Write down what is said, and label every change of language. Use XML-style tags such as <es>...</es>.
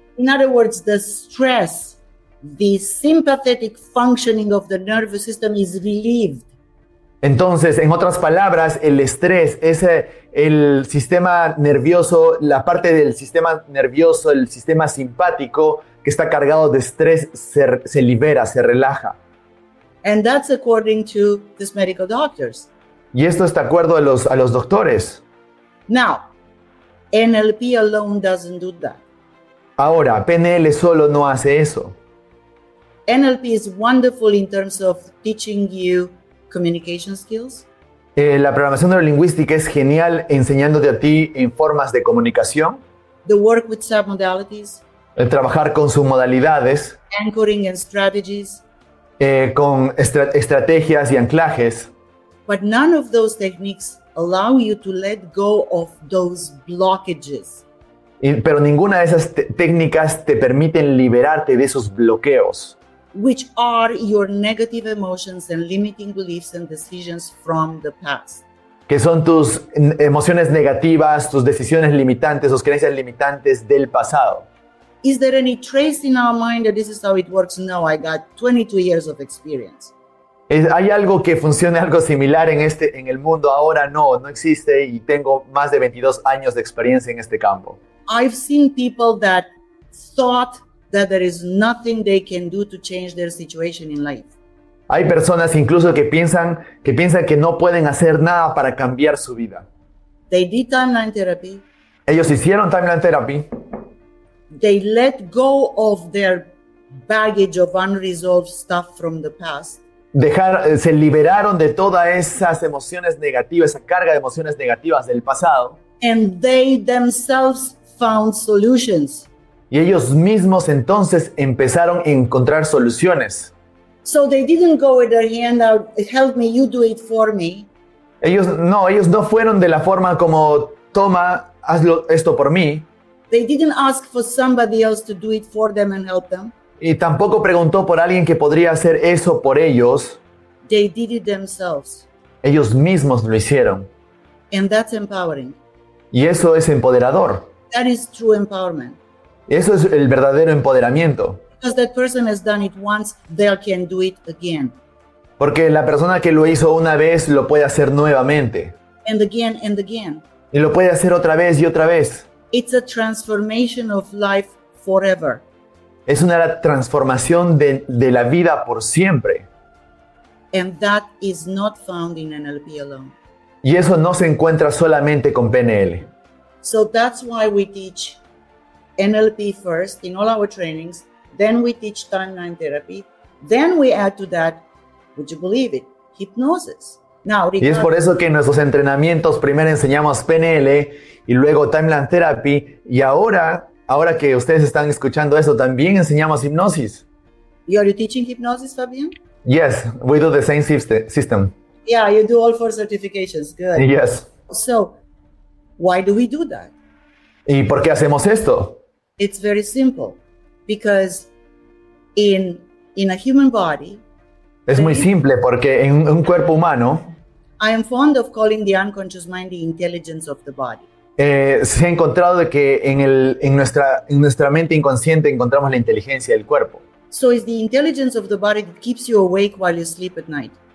<en>In other words, the stress, the sympathetic functioning of the nervous system is relieved.</en> <es>Entonces, en otras palabras, el estrés, el sistema nervioso, la parte del sistema nervioso, el sistema simpático que está cargado de estrés, se libera, se relaja.</es> <en>And that's according to these medical doctors.</en> <es>Y esto está de acuerdo a los doctores.</es> <en>Now, NLP alone doesn't do that.</en> <es>Ahora, PNL solo no hace eso.</es> <en>NLP is wonderful in terms of teaching you communication skills.</en> <es>La programación neurolingüística es genial enseñándote a ti en formas de comunicación.</es> <en>The work with submodalities.</en> <es>El trabajar con submodalidades.</es> <en>Anchoring and strategies.</en> <es>Con estrategias y anclajes.</es> <en>But none of those techniques allow you to let go of those blockages.</en> <es>Pero ninguna de esas técnicas te permiten liberarte de esos bloqueos.</es> <en>Which are your negative emotions and limiting beliefs and decisions from the past.</en> <es>Que son tus emociones negativas, tus decisiones limitantes, tus creencias limitantes del pasado.</es> <en>Is there any trace in our mind that this is how it works? No, I got 22 years of experience.</en> <es>¿Hay algo que funcione algo similar en este, en el mundo? Ahora no, no existe y tengo más de 22 años de experiencia en este campo.</es> <en>I've seen people that thought that there is nothing they can do to change their situation in life.</en> <es>Hay personas incluso que piensan que no pueden hacer nada para cambiar su vida.</es> <en>They did timeline therapy.</en> <es>Ellos hicieron timeline therapy.</es> <en>They let go of their baggage of unresolved stuff from the past.</en> <es>Se liberaron de todas esas emociones negativas, esa carga de emociones negativas del pasado.</es> <en>And they themselves found solutions.</en> <es>Y ellos mismos entonces empezaron a encontrar soluciones.</es> <en>So they didn't go with their hand out, help me, you do it for me.</en> <es>Ellos no fueron de la forma como, toma, hazlo esto por mí.</es> <en>They didn't ask for somebody else to do it for them and help them.</en> <es>Y tampoco preguntó por alguien que podría hacer eso por ellos.</es> <en>They did it themselves.</en> <es>Ellos mismos lo hicieron.</es> <en>And that's empowering.</en> <es>Y eso es empoderador.</es> <en>That is true empowerment.</en> <es>Eso es el verdadero empoderamiento.</es> <en>Because that person has done it once, they can do it again.</en> <es>Porque la persona que lo hizo una vez lo puede hacer nuevamente.</es> <en>And again and again.</en> <es>Y lo puede hacer otra vez y otra vez.</es> <en>It's a transformation of life forever.</en> <es>Es una transformación de la vida por siempre.</es> <en>And that is not found in NLP alone.</en> <es>Y eso no se encuentra solamente con PNL.</es> <en>So that's why we teach NLP first in all our trainings. Then we teach timeline therapy. Then we add to that, would you believe it, hypnosis. Now,</en> <es>y es por eso que en nuestros entrenamientos primero enseñamos PNL y luego timeline therapy. Y ahora que ustedes están escuchando esto, también enseñamos hipnosis.</es> <en>You're teaching hypnosis, Fabian? Yes, we do the same system. Yeah, you do all four certifications. Good. Yes. So, why do we do that?</en> <es>¿Y por qué hacemos esto?</es> <en>It's very simple. Because in a human body,</en> <es>es muy simple porque en un cuerpo humano,</es> <en>I am fond of calling the unconscious mind the intelligence of the body.</en> <es>Se ha encontrado de que en nuestra mente inconsciente encontramos la inteligencia del cuerpo.</es> <en>So it's the intelligence of the body that keeps you awake while you sleep at night.</en>